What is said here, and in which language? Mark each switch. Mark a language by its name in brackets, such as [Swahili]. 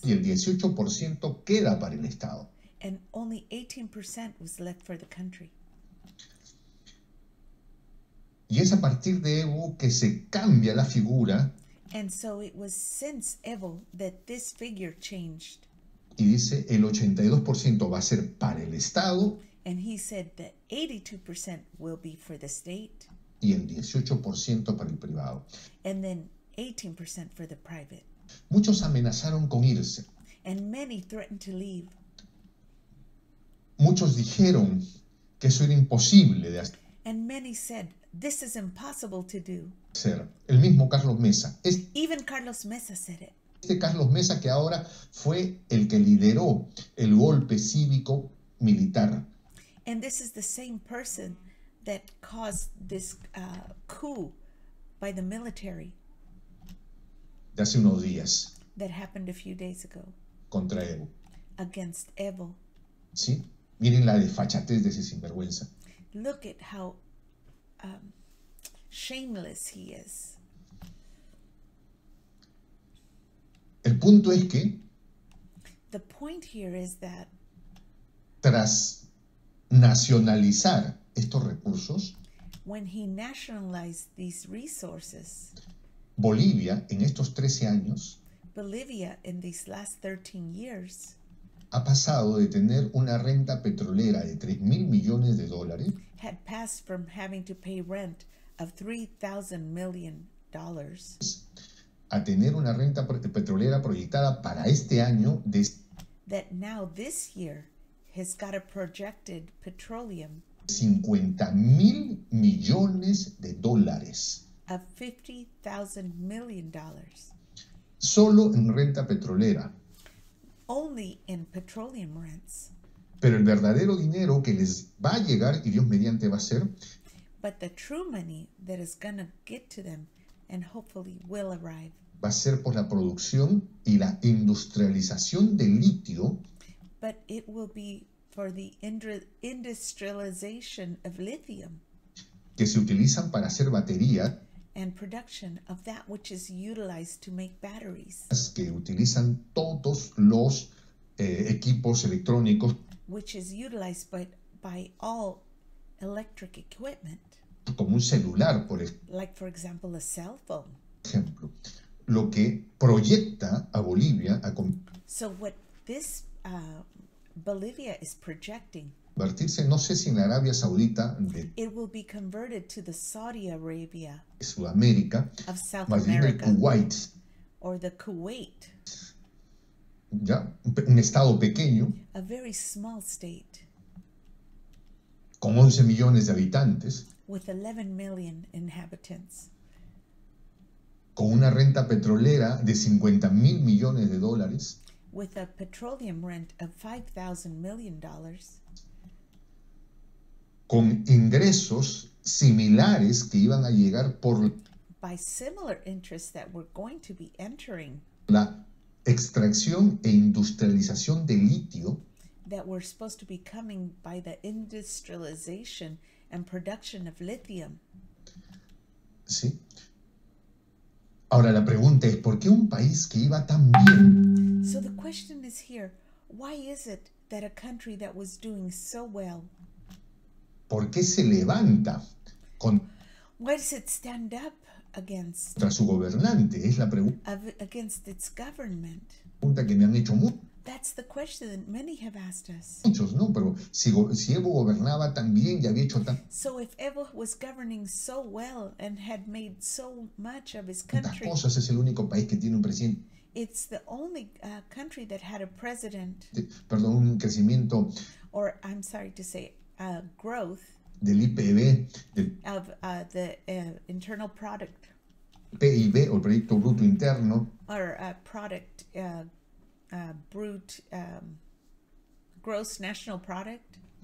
[Spanish] Y el 18% queda para el Estado. [English] And only 18% was left for the country. [Spanish] Y es a partir de Evo que se cambia la figura. [English] And so it was since Evo that this figure changed. [Spanish] Y dice el 82% va a ser para el Estado. [English] And he said that 82% will be for the state. [Spanish] Y el 18% para el privado. [English] And then 18% for the private. [Spanish] Muchos amenazaron con irse. [English] And many threatened to leave. [Spanish] Muchos dijeron que eso era imposible de hacer. [English] And many said, this is impossible to do. [Spanish] Ser. El mismo Carlos Mesa. [English] Even Carlos Mesa said it. [Spanish] Este Carlos Mesa que ahora fue el que lideró el golpe cívico militar. [English] And this is the same person that caused this coup by the military. [Spanish] De hace unos días. [English] That happened a few days ago. [Spanish] contra Evo. [English] Against Evo. [Spanish] ¿Sí? Miren la desfachatez de ese sinvergüenza. [English] Look at how shameless he is. [Spanish] El punto es que [English] the point here is that [Spanish] tras nacionalizar estos recursos, [English] when he nationalized these resources, [Spanish] Bolivia en estos 13 años, [English] Bolivia in these last 13 years, [Spanish] ha pasado de tener una renta petrolera de 3,000 millones de dólares, [English] had passed from having to pay rent of $3,000 million, [Spanish] a tener una renta petrolera proyectada para este año de [English] that now this year has got a projected petroleum [Spanish] 50,000 millones de dólares [English] of $50,000 million [Spanish] solo en renta petrolera. [English] Only in petroleum rents. [Spanish] Pero el verdadero dinero que les va a llegar y Dios mediante va a ser, [English] but the true money that is going to get to them and hopefully will arrive, [Spanish] va a ser por la producción y la industrialización del litio, [English] but it will be for the industrialization of lithium, [Spanish] que se utilizan para hacer batería, [English] and production of that which is utilized to make batteries, [Spanish] que utilizan todos los equipos electrónicos, [English] which is utilized by all electric equipment, [Spanish] como un celular, por ejemplo, [English] like for example a cell phone. [Spanish] Ejemplo, lo que proyecta a Bolivia a [English] so what this Bolivia is projecting, [Spanish] convertirse, no sé si en Arabia Saudita, de [English] it will be converted to the Saudi Arabia, [Spanish] Sudamérica, [English] of South America, [Spanish] Kuwait, [English] or the Kuwait, [Spanish] ya, un estado pequeño, [English] a very small state, [Spanish] con 11 millones de habitantes, [English] with 11 million inhabitants, [Spanish] con una renta petrolera de 50,000 millones de dólares, [English] with a petroleum rent of $5,000 million, [Spanish] con ingresos similares que iban a llegar por [English] by similar interests that were going to be entering, [Spanish] la extracción e industrialización de litio, [English] that were supposed to be coming by the industrialization and production of lithium. [Spanish] Sí. Ahora la pregunta es, ¿por qué un país que iba tan bien? [English] So the question is here, why is it that a country that was doing so well, [Spanish] ¿por qué se levanta contra su gobernante? Es la pregunta. [English] Against its government. [Spanish] Pregunta que me han hecho muchos. [English] That's the question that many have asked us. [Spanish] Muchos, no, pero si Evo gobernaba tan bien y había hecho tan. [English] So if Evo was governing so well and had made so much of his country. [Spanish] Tantas cosas, es el único país que tiene un presidente. [English] It's the only country that had a president. [Spanish] Perdón, un crecimiento. [English] Or I'm sorry to say. Growth [Spanish] del IPB, del [English] of the internal product, [Spanish] PIB, o Proyecto Bruto Interno, [English] or product, brute, gross national product,